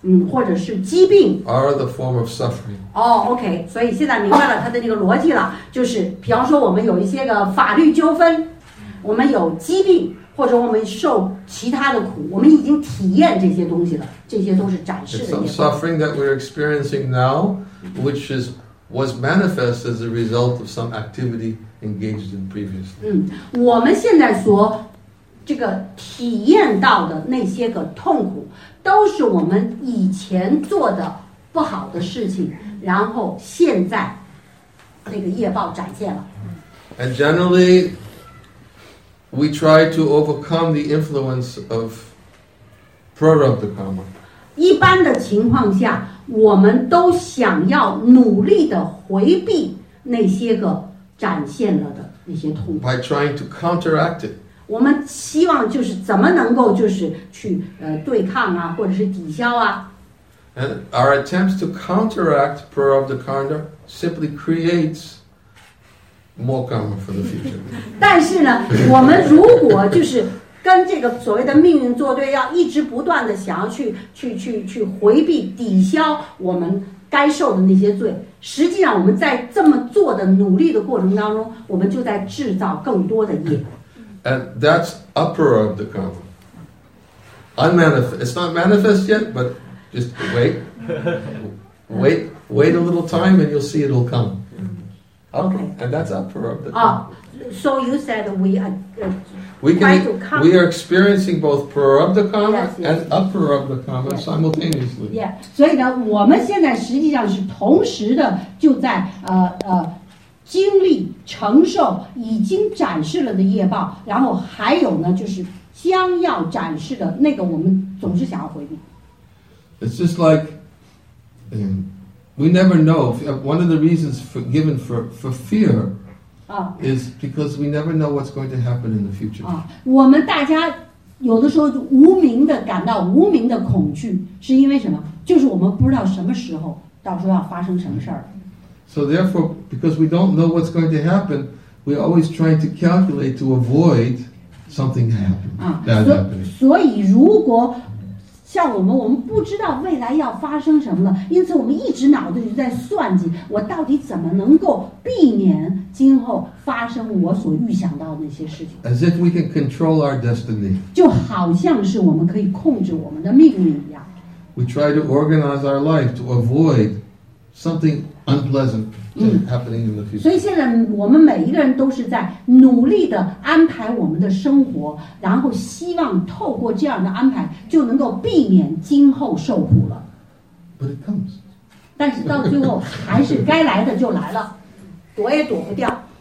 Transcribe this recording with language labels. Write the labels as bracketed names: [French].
[Chinese] 或者是疾病 [English] are the form of suffering. [Chinese] 哦、oh, ，OK， 所以现在明白了他的这个逻辑了，就是比方说我们有一些个法律纠纷，我们有疾病，或者我们受其他的苦，我们已经体验这些东西了，这些都是展示的。 [English] Some suffering that we're experiencing now, which is was manifest as a result of some activity engaged in previously. [Chinese] 我们现在所这个体验到的那些个痛苦，都是我们以前做的不好的事情，然后现在那个业报展现了。 [English] And generally, we try to overcome the influence of prarabdha karma. [Chinese] 一般的情况下，我们都想要努力的回避那些个展现了的那些痛苦。 [English] By trying to counteract it. [Chinese] 我们希望就是怎么能够就是去对抗啊，或者是抵消啊。 [English] And our attempts to counteract prarabdha karma simply creates more karma for the future. [Chinese] 但是呢，我们如果就是跟这个所谓的命运作对，要一直不断的想要去回避、抵消我们该受的那些罪，实际上我们在这么做的努力的过程当中，我们就在制造更多的业。 [English] And that's upper of the karma. Unmanifest. It's not manifest yet, but just wait. Wait a little time and you'll see it will come. Okay. And that's upper of the karma. So you said we are experiencing both prarabdha karma and upper of the karma simultaneously. Yeah. [Chinese] 所以呢，我们现在实际上是同时的就在经历承受已经展示了的业报，然后还有呢，就是将要展示的那个，我们总是想要回避。 [English] It's just like we never know. One of the reasons given for fear is because we never know what's going to happen in the future. [Chinese] 我们大家有的时候无名的感到无名的恐惧，是因为什么？就是我们不知道什么时候到时候要发生什么事儿。 [English] So therefore, because we don't know what's going to happen, we always try to calculate to avoid something happening. [Chinese] 所以如果像我们不知道未来要发生什么了，因此我们一直脑子里在算计，我到底怎么能够避免今后发生我所预想到的那些事情。 [English] As if we can control our destiny. [Chinese] 就好像是我们可以控制我们的命运一样。 [English] We try to organize our life to avoid something unpleasant happening in the future. [Chinese] 所以现在我们每一个人都是在努力的安排我们的生活，然后希望透过这样的安排就能够避免今后受苦了。 [English] But it comes. [Chinese] 但是到最后还是该来的就来了，躲也躲不掉。